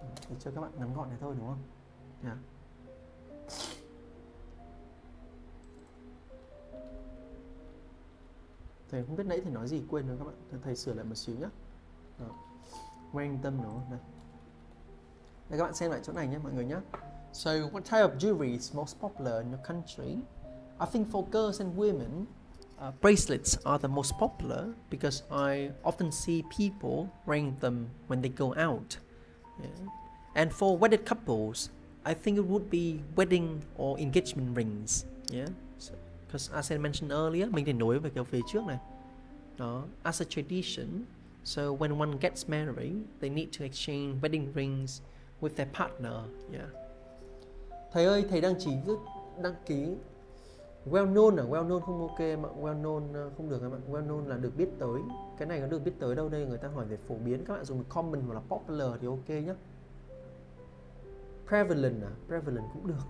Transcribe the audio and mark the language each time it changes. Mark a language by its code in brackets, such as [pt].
[vi] Để cho các bạn ngắn gọn này thôi đúng không? Yeah. Thầy không biết nãy thầy nói gì quên rồi các bạn, thầy sửa lại một xíu nhé. Quan tâm đúng không? Đây. Đây các bạn xem lại chỗ này nhé mọi người nhé. [en] So what type of jewelry is most popular in your country? I think for girls and women, bracelets are the most popular because I often see people wearing them when they go out. Yeah. And for wedded couples, I think it would be wedding or engagement rings. Yeah. So, because as I mentioned earlier, [vi] mình để nối về cái phía trước này. Đó. [en] As a tradition, so when one gets married, they need to exchange wedding rings with their partner. Yeah. [vi] Thầy ơi, thầy đang chỉ đăng ký. Well known không ok em ạ. Well known không được em ạ. Well known là được biết tới. Cái này có được biết tới đâu, đây người ta hỏi về phổ biến. Các bạn dùng common hoặc là popular thì ok nhá. Prevalent à? Prevalent cũng được.